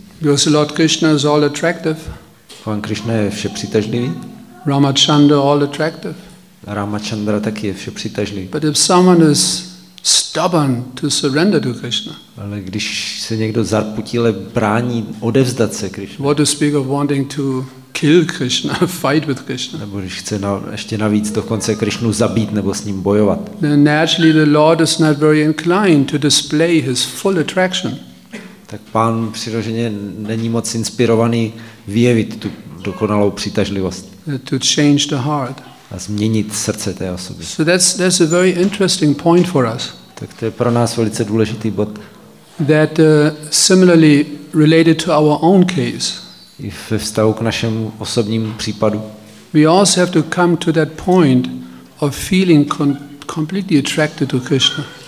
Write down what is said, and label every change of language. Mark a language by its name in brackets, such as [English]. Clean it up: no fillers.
[English] Because Lord Krishna is all attractive. [Czech] Pán Krishna je vše přitažlivý. [English] Ramachandra all attractive. [Czech] Ramachandra taky je vše přitažlivý. [English] But if someone is stubborn to surrender to Krishna. [Czech] Ale když se někdo zarputile brání odevzdat se Krishna. [English] What to speak of wanting to kill Krishna, fight with Krishna. [Czech] Nebo když chce ještě navíc dokonce Krishnu zabít nebo s ním bojovat. [English] Then naturally the Lord is not very inclined to display his full attraction. [Czech] Tak pán přirozeně není moc inspirovaný vyjevit tu dokonalou přitažlivost. [English] To change the heart. [Czech] A změnit srdce té osoby. [English] So that's a very interesting point for us. [Czech] Tak to je pro nás velice důležitý bod. [English] That similarly related to our own case. [Czech] I ve vztahu k našemu osobnímu případu. [English] We also have to come to that point of feeling completely attracted to Krishna.